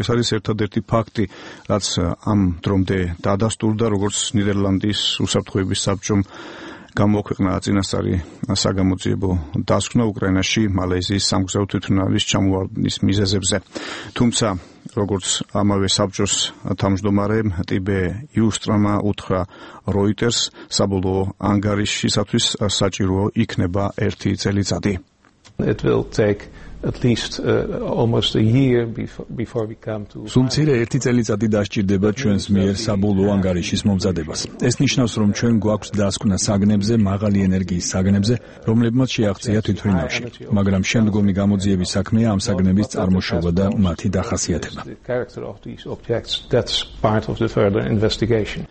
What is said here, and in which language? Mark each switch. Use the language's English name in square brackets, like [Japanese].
[Georgian] ეს არის ერთადერთი ფაქტი, რაც ამ დრომდე დადასტურდა, როგორც ნიდერლანდის უსაფრთხოების საბჭომ გამოქვეყნა წინასწარი საგამოძიებო დასკვნა უკრაინაში მალაიზიის სამგზავრო თვითმფრინავის ჩამოვარდნის მიზეზებზე. თუმცა, როგორც ამავე საბჭოს თავმჯდომარე ტიბე იუსტრამა უთხრა როიტერს, საბოლოო ანგარიშისათვის საჭირო იქნება ერთი წელიწადი. [English] It will take at least almost a year before we come to [Georgian] სუმცირე ერთი წელიწადი დასჭირდება ჩვენს მიერ საბოლოო ანგარიშის მომზადებას. ეს ნიშნავს, რომ ჩვენ გვაქვს დასკვნა საგნებზე, მაღალი ენერგიის საგნებზე, რომლებმაც შეაღწია თვითმფრინავში, მაგრამ შემდგომი გამოძიების საქმეა ამ საგნების წარმოშობა და მათი დახასიათება.